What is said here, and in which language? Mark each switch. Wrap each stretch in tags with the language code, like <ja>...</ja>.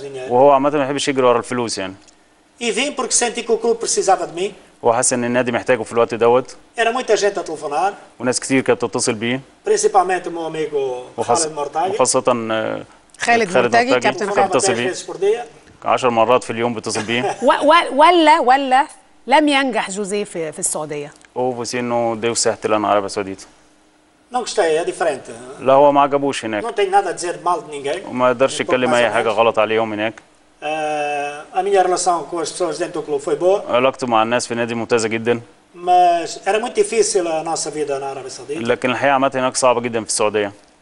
<ar>وهو عامة ما بيحبش يجري ورا الفلوس يعني.</ar> <pt>E vim porque senti que o clube precisava de mim.</pt> <ar>هو حاسس ان النادي محتاجه في الوقت دوت.</ar> <pt>Era muita gente a telefonar.</pt> <ar>وناس كتير كانت بتتصل بيه.</ar> <pt>Principalmente meu amigo Khaled Mortaghi.</pt> <ar>وخاصة خالد مرتجي كابتن خالد. 10 مرات في اليوم بيتصل بيه. ولا لم ينجح جوزيه في السعودية. هو بس انه ديو سيحت لنا عربي سعودية.</ar> <pt>Não gostei, é diferente.</pt> <ar>لا هو ما عجبوش هناك.</ar> <pt>Não tem nada a dizer mal de ninguém.</pt> <ar>وما قدرش يتكلم أي حاجة غلط عليهم هناك.</ar> <pt>A minha relação com as pessoas dentro do clube foi boa.</pt> <ar>علاقته مع الناس في النادي ممتازة جدا.</ar> <pt>Mas era muito difícil a nossa vida na Arábia Saudita.</pt> <ar>لكن الحياة عامة هناك صعبة جدا في السعودية.</ar>